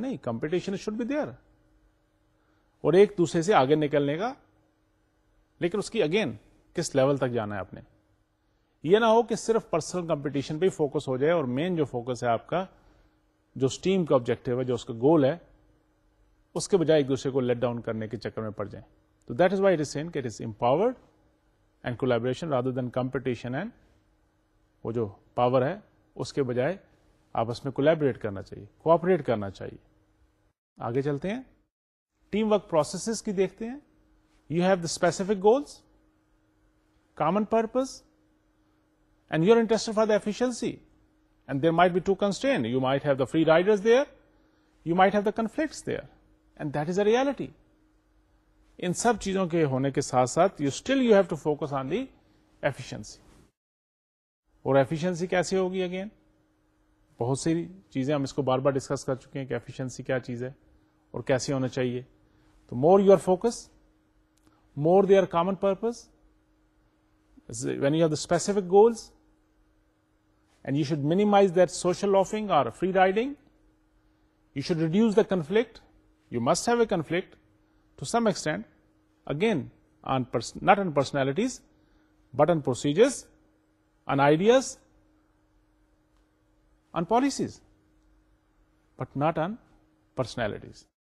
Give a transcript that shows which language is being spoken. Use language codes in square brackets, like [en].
[ur] نہیں, [en] competition should be there [ur] اور ایک دوسرے سے آگے نکلنے کا, لیکن اس کی اگین کس لیول تک جانا ہے آپ نے. یہ نہ ہو کہ صرف پرسنل کمپٹیشن پہ ہی فوکس ہو جائے اور مین جو فوکس ہے آپ کا, جو اسٹیم کا آبجیکٹو ہے, جو اس کا گول ہے, اس کے بجائے ایک دوسرے کو لیٹ ڈاؤن کرنے کے چکر میں پڑ جائیں. [en] تو that is why it is seen it is empowered and collaboration rather than competition. [ur] And وہ جو پاور ہے اس کے بجائے آپس میں کولیبریٹ کرنا چاہیے, کوآپریٹ کرنا چاہیے. آگے چلتے ہیں, ٹیم ورک پروسیسز کی دیکھتے ہیں. [en] You have the specific goals, common purpose, and you are interested for the efficiency, and there might be to constrain. You might have the free riders there, you might have the conflicts there, and that is a reality. [ur] ان سب چیزوں کے ہونے کے ساتھ ساتھ [en] You still you have to focus on the efficiency. [ur] اور efficiency کیسے ہوگی, again بہت سی چیزیں ہم اس کو بار بار ڈسکس کر چکے ہیں کہ ایفیشنسی کیا چیز ہے اور کیسے ہونا چاہیے. [en] تو more you are focus, more they are common purpose, when you have the specific goals, and you should minimize that social loafing اور free riding, you should reduce the conflict. You must have a conflict to some extend, again on not on personalities but on procedures, on ideas, on policies, but not on personalities.